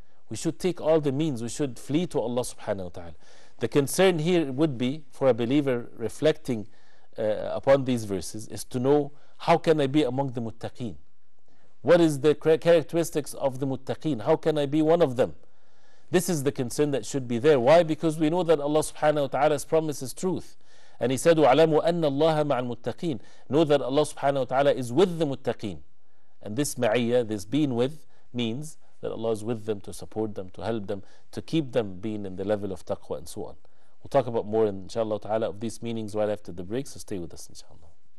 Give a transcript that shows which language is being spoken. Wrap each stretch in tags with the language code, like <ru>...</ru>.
<en>We should take all the means, we should flee to Allah subhanahu wa ta'ala. The concern here would be for a believer reflecting upon these verses is to know, how can I be among the muttaqeen? What is the characteristics of the muttaqeen? How can I be one of them? This is the concern that should be there. Why? Because we know that Allah subhanahu wa ta'ala's promise is truth. And he said,</en> <ar>وَعْلَمُوا أَنَّ اللَّهَ مَعَ الْمُتَّقِينَ.</ar> <en>Know that Allah subhanahu wa ta'ala is with the muttaqeen. And this ma'iyya, this being with, means that Allah is with them to support them, to help them, to keep them being in the level of taqwa and so on. We'll talk about more inshallah ta'ala of these meanings right after the break, so stay with us inshallah.</en>